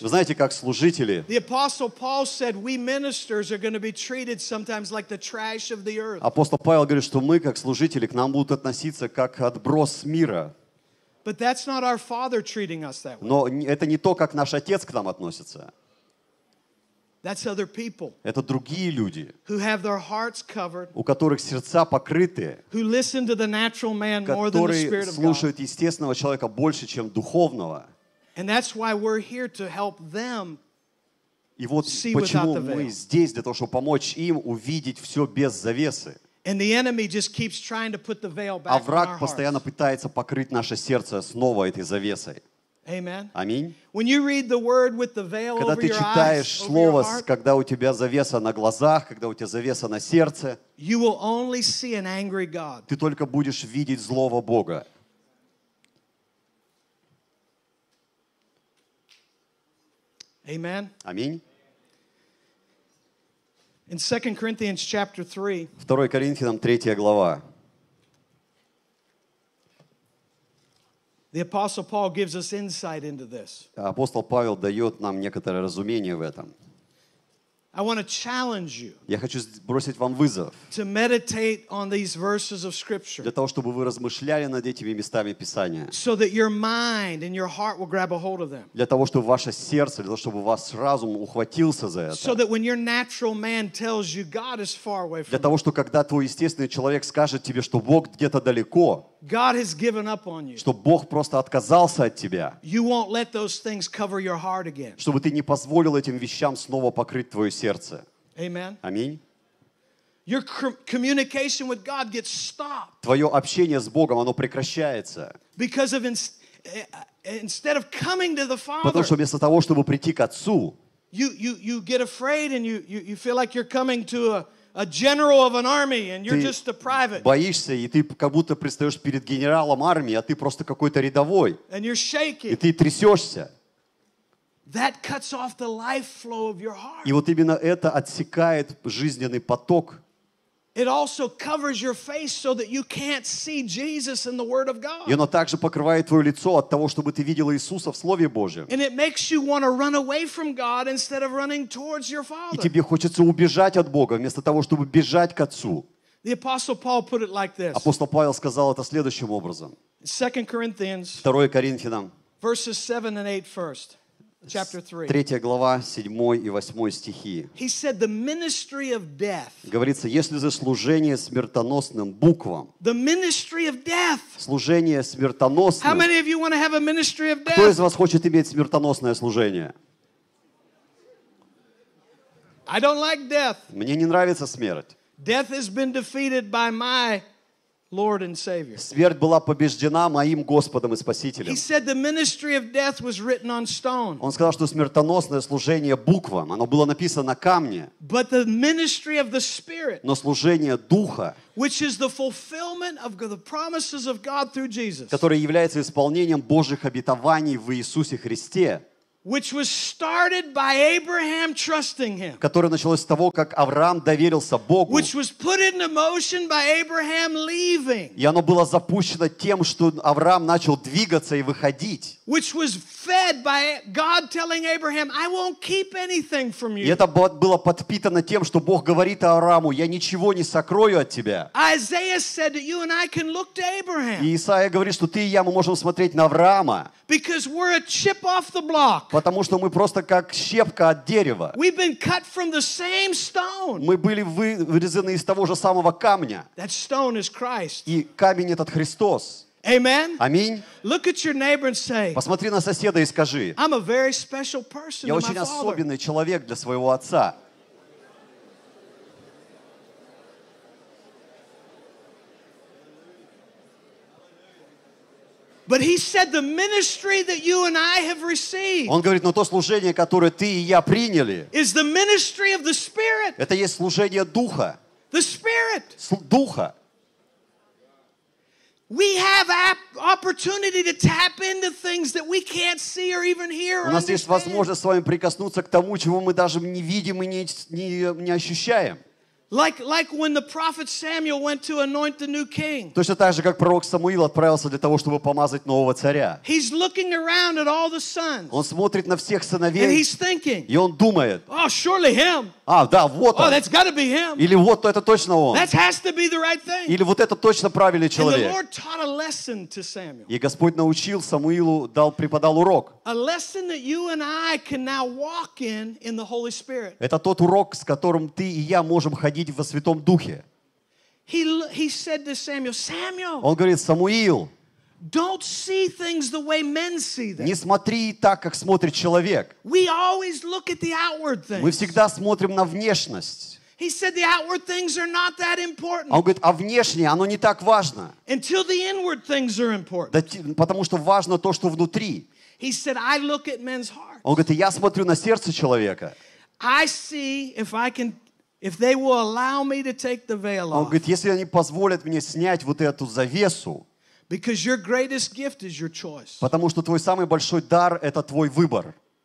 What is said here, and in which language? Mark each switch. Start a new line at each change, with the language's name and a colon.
Russian: вы знаете, как служители,
English: the apostle Paul said, we ministers are going to be treated sometimes like the trash of the earth.
Russian: Апостол Павел говорит, что мы, как служители, к нам будут относиться как отброс мира.
English: But that's not our father treating us that way.
Russian: Но это не то, как наш отец к нам относится.
English: That's other people.
Russian: Это другие люди.
English: Who have their hearts covered.
Russian: У которых сердца покрыты.
English: Who listen to the natural man more than the spirit of God.
Russian: Которые слушают естественного человека больше, чем духовного.
English: And that's why we're here to help them see the veil.
Russian: И вот почему мы здесь, для того, чтобы помочь им увидеть все без завесы.
English: And the enemy just keeps trying to put the veil back on our hearts.
Russian: А враг постоянно пытается покрыть наше сердце снова этой завесой.
English: Amen.
Russian: Аминь.
English: When you read the word with the veil
Russian: когда
English: over your eyes,
Russian: слово,
English: over your heart,
Russian: когда у тебя завеса на глазах, когда у тебя завеса на сердце,
English: you will only see an angry God.
Russian: Ты только будешь видеть злого Бога.
English: Amen.
Russian: Аминь.
English: In 2 Corinthians chapter 3.
Russian: 2 Коринфянам 3 глава.
English: The apostle Paul gives us insight into this.
Russian: Апостол Павел дает нам некоторое разумение в этом.
English: I want to challenge you.
Russian: Я хочу бросить вам вызов.
English: To meditate on these verses of scripture.
Russian: Для того, чтобы вы размышляли над этими местами Писания.
English: So that your mind and your heart will grab a hold of them.
Russian: Для того, чтобы ваше сердце, для того, чтобы ваш разум ухватился за это.
English: So that when your natural man tells you God is far away from you.
Russian: Для того, чтобы когда твой естественный человек скажет тебе, что Бог где-то далеко.
English: God has given up on you.
Russian: Чтобы Бог просто отказался от тебя.
English: You won't let those things cover your heart again.
Russian: Чтобы ты не позволил этим вещам снова покрыть твое сердце.
English: Amen.
Russian: Аминь.
English: Your communication with God gets stopped.
Russian: Твое общение с Богом, оно прекращается.
English: Because of instead of coming to the Father.
Russian: Потому что вместо того, чтобы прийти к Отцу.
English: You get afraid and you feel like you're coming to a general of an army, and you're just a private.
Russian: Боишься, и ты как будто предстаешь перед генералом армии, а ты просто какой-то рядовой.
English: And you're shaking.
Russian: И ты трясешься.
English: That cuts off the life flow of your heart.
Russian: И вот именно это отсекает жизненный поток.
English: It also covers your face so that you can't see Jesus in the Word of God.
Russian: И оно также покрывает твое лицо от того, чтобы ты видел Иисуса в Слове Божьем.
English: And it makes you want to run away from God instead of running towards your Father.
Russian: И тебе хочется убежать от Бога вместо того, чтобы бежать к Отцу.
English: The Apostle Paul put it like this.
Russian: Апостол Павел сказал это следующим образом.
English: 2 Corinthians.
Russian: 2 Коринфянам.
English: Verses 7 and 8 first. Chapter 3.
Russian: 3 глава, 7 и 8 стихи.
English: He said the ministry of death.
Russian: Говорится, если за служение смертоносным буквам.
English: The ministry of death.
Russian: Служение смертоносным.
English: How many of you want to have a ministry of death?
Russian: Кто из вас хочет иметь смертоносное служение?
English: I don't like death.
Russian: Мне не нравится смерть.
English: Death has been defeated by my Lord and Savior.
Russian: Смерть была побеждена моим Господом и Спасителем.
English: He said the ministry of death was written on stone.
Russian: Он сказал, что смертоносное служение буквам, оно было написано на камне.
English: But the ministry of the Spirit.
Russian: Но служение Духа.
English: Which is the fulfillment of the promises of God through Jesus.
Russian: Которое является исполнением Божьих обетований в Иисусе Христе.
English: Which was started by Abraham trusting him.
Russian: Которое началось с того, как Авраам доверился Богу.
English: Which was put into motion by Abraham leaving.
Russian: И оно было запущено тем, что Авраам начал двигаться и выходить.
English: Which was fed by God telling Abraham, "I won't keep anything from you."
Russian: И это было подпитано тем, что Бог говорит Аврааму, "Я ничего не сокрою от тебя."
English: Isaiah said that you and I can look to Abraham.
Russian: И Исаия говорит, что ты и я мы можем смотреть на Авраама.
English: Because we're a chip off the block.
Russian: Потому что мы просто как щепка от дерева.
English: We've been cut from the same stone.
Russian: Мы были вырезаны из того же самого камня.
English: That stone is Christ.
Russian: И камень этот Христос.
English: Amen.
Russian: Аминь.
English: Look at your neighbor and say,
Russian: посмотри на соседа и скажи,
English: I'm a very special person.
Russian: Я очень особенный человек для своего отца.
English: But he said the ministry that you and I have received.
Russian: Он говорит, но то служение, которое ты и я приняли.
English: Is the ministry of the Spirit.
Russian: Это есть служение Духа.
English: The Spirit.
Russian: Духа.
English: We have opportunity to tap into things that we can't see or even hear.
Russian: У нас есть возможность с вами прикоснуться к тому, чего мы даже не видим и не ощущаем.
English: Like when the prophet Samuel went to anoint the new king.
Russian: Точно так же, как пророк Самуил отправился для того, чтобы помазать нового царя.
English: He's looking around at all the sons.
Russian: Он смотрит на всех сыновей.
English: And he's thinking.
Russian: И он думает.
English: Oh, surely him.
Russian: А, да, вот он.
English: Oh, that's got to be him.
Russian: Или вот то это точно он.
English: That has to be the right thing.
Russian: Или вот это точно правильный человек.
English: And the Lord taught a lesson to Samuel.
Russian: И Господь научил Самуилу, дал преподал урок.
English: A lesson that you and I can now walk in the Holy Spirit.
Russian: Это тот урок, с которым ты и я можем ходить во Святом Духе.
English: He said to Samuel, Samuel,
Russian: он говорит, Самуил,
English: don't see things the way men see them.
Russian: Не смотри так, как смотрит человек.
English: We always look at the outward things.
Russian: Мы всегда смотрим на внешность.
English: He said the outward things are not that important.
Russian: Он говорит, а внешнее, оно не так важно.
English: Until the inward things are important.
Russian: Да, потому что важно то, что внутри.
English: He said, I look at men's hearts.
Russian: Он говорит, я смотрю на сердце человека.
English: I see if I can. If they will allow me to take the veil off.
Russian: Он говорит, если они позволят мне снять вот эту завесу.
English: Because your greatest gift is your choice.
Russian: Потому что твой самый большой дар – это твой выбор.